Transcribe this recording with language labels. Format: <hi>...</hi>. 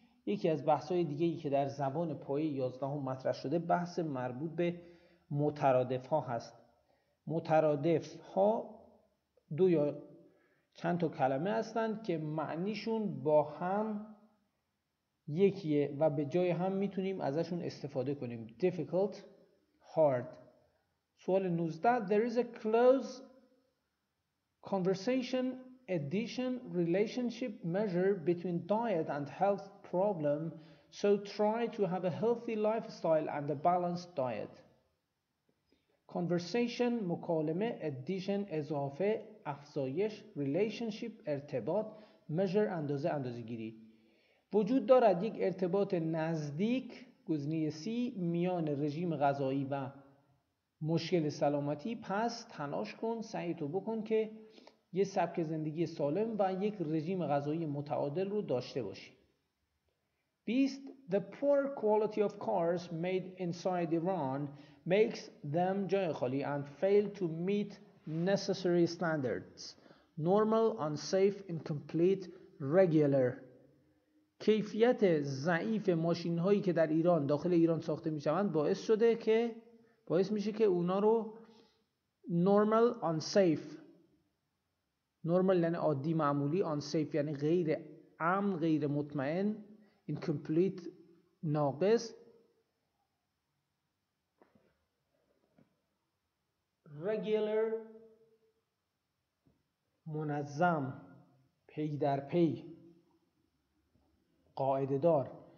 <fa>یکی از بحث‌های دیگه‌ای که در زبان پایه 11 مطرح شده بحث مربوط به مترادف‌ها هست. مترادف‌ها دو یا چند تا کلمه هستند که معنیشون با هم یکیه و به جای هم میتونیم ازشون استفاده کنیم. difficult، hard. سوال 19.</fa> <en>There is a close conversation addition relationship measure between diet and health problem, so try to have a healthy lifestyle and a balanced diet.</en> <fa>Conversation مکالمه، addition اضافه، افزایش، relationship ارتباط، measure اندازه، اندازه‌گیری. وجود دارد یک ارتباط نزدیک، گزینه C، میان رژیم غذایی و مشکل سلامتی، پس تلاش کن، سعی تو بکن که یه سبک زندگی سالم و یک رژیم غذایی متعادل رو داشته باشی.</fa> <en>20. The poor quality of cars made inside Iran makes them</en> <fa>جای خالی</fa> <en>and fail to meet necessary standards. Normal, unsafe, incomplete, regular.</en> <fa>کیفیت ضعیف ماشین هایی که در ایران، داخل ایران ساخته می شوند باعث شده که، باعث میشه که اونا رو normal, unsafe، نورمال یعنی عادی، معمولی، آن سیف یعنی غیر امن، غیر مطمئن، اینکمپلیت ناقص، رگیلر منظم، پی در پی، قاعده دار.</fa>